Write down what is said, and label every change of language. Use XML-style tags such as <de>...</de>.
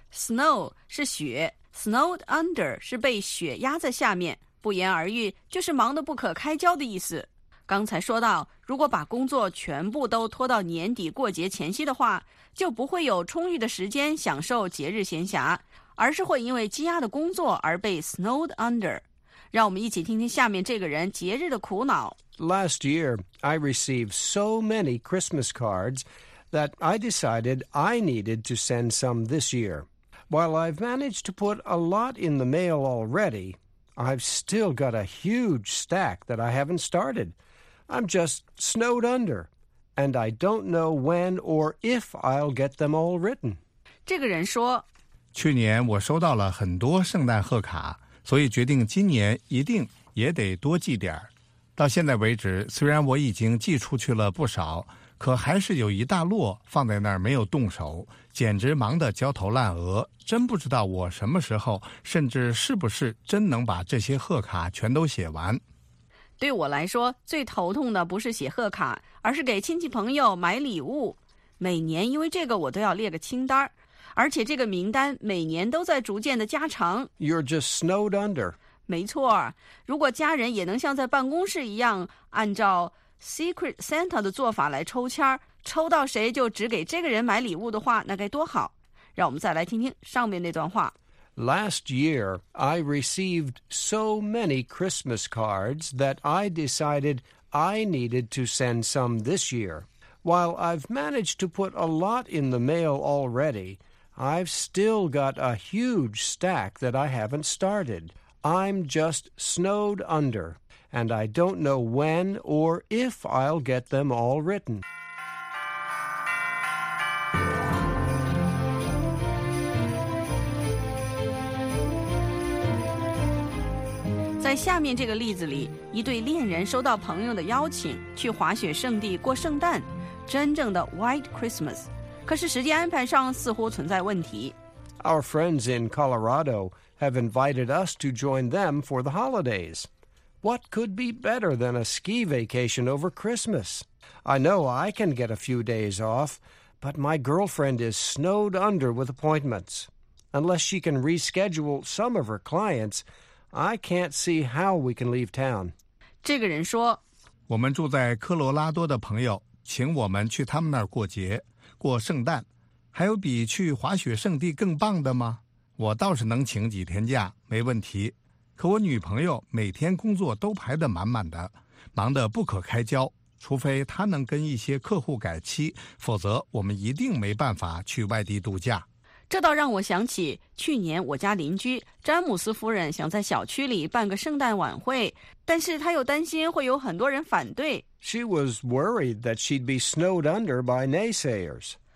<zh>Snow 是雪， Snowed under 是被雪压在下面，不言而喻就是忙得不可开交的意思。刚才说到，如果把工作全部都拖到年底过节前夕的话，就不会有充裕的时间享受节日闲暇，而是会因为积压的工作而被 snowed under。让我们一起听听下面这个人节日的苦恼。</zh> <en>Last year, I received so many Christmas cards that I decided I needed to send some this year. While I've managed to put a lot in the mail already, I've still got a huge stack that I haven't started. I'm just snowed under. And I don't know when or if I'll get them all written.</en> <zh>这个人说，去年我收到了很多圣诞贺卡，所以决定今年一定也得多寄点。到现在为止，虽然我已经寄出去了不少，可还是有一大摞放在那儿没有动手，简直忙得焦头烂额，真不知道我什么时候，甚至是不是真能把这些贺卡全都写完。对我来说，最头痛的不是写贺卡，而是给亲戚朋友买礼物。每年因为这个我都要列个清单，而且这个名单每年都在逐渐的加长。</zh> <en>You're just snowed under.</en> <zh>没错，如果家人也能像在办公室一样按照 Secret Santa 的做法来抽签，抽到谁就只给这个人买礼物的话，那该多好。让我们再来听听上面那段话。</zh> <en>Last year, I received so many Christmas cards that I decided I needed to send some this year. While I've managed to put a lot in the mail already, I've still got a huge stack that I haven't started. I'm just snowed under, and I don't know when or if I'll get them all written.</en> <zh>在下面这个例子里，一对恋人收到朋友的邀请去滑雪圣地过圣诞，真正的 White Christmas， 可是时间安排上似乎存在问题。</zh> <en>Our friends in Colorado have invited us to join them for the holidays. What could be better than a ski vacation over Christmas? I know I can get a few days off, but my girlfriend is snowed under with appointments. Unless she can reschedule some of her clients,I can't see how we can leave town.</en> <zh>这个人说，我们住在科罗拉多的朋友请我们去他们那儿过节，过圣诞，还有比去滑雪圣地更棒的吗？我倒是能请几天假，没问题。可我女朋友每天工作都排得满满的，忙得不可开交，除非她能跟一些客户改期，否则我们一定没办法去外地度假。这倒让我想起去年我家邻居詹姆斯夫人想在小区里办个圣诞晚会，但是她又担心会有很多人反对。</zh> <en>She was worried that she'd be snowed under by naysayers.</en>